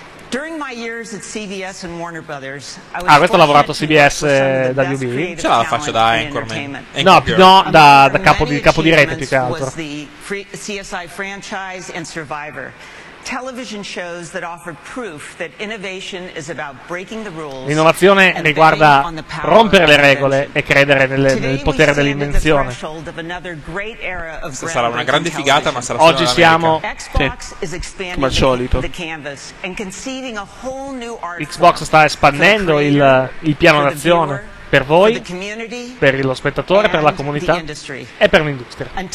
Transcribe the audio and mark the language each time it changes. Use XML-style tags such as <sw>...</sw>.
<en>During my years at CBS and Warner Brothers, I was.</en> <it>Ah, questo ha lavorato a CBS e da WB. Ce la faccio da Anchorman. No, da capo di rete più che altro.</it> <en>Was the CSI franchise and Survivor. television shows that offered proof that innovation is about breaking the rules.</en> <it>L'innovazione riguarda rompere le regole e credere nel potere dell'invenzione. Sarà una grande figata, ma sarà oggi siamo come al solito. Xbox sta espandendo il piano d'azione per voi, per lo spettatore, per la comunità e per l'industria.</it>